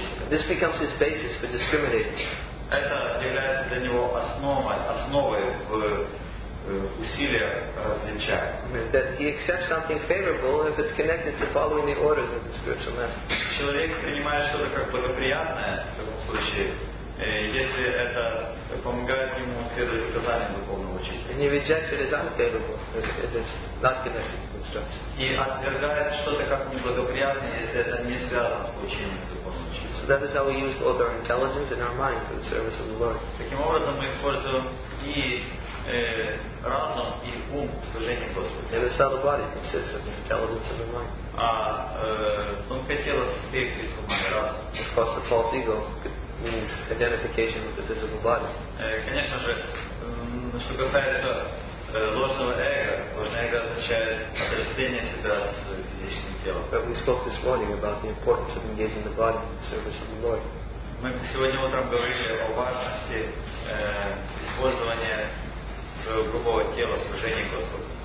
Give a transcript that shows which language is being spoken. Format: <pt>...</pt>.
<en>This becomes his basis for discriminating.</en> <ru>Это является для него основой в усилия различает.</ru> <en>That he accepts something favorable if it's connected to following the orders of the spiritual master.</en> <ru>Человек принимает что-то как благоприятное в таком случае, если это помогает ему следовать указаниям духовного учителя.</ru> <en>And he rejects it as unfavorable if it's not connected to instructions.</en> <ru>И отвергает что-то как неблагоприятное, если это не связано с учением.</ru> <en>So that is how we use both our intelligence and our mind for the service of the Lord.</en> <ru>Таким образом мы используем и разум, и ум в служении Господу.</ru> <en>And the subtle body consists of the intelligence and the mind.</en> <ru>А тонкое тело состоит из ума и разума.</ru> <en>Of course, the false ego means identification with the visible body.</en> <ru>Конечно же, что касается ложного эго, ложное эго означает отождествление себя с физическим телом.</ru> <en>But we spoke this morning about the importance of engaging the body in the service of the Lord.</en> <ru>Мы сегодня утром говорили о важности использования своего грубого тела в служении Господу.</ru>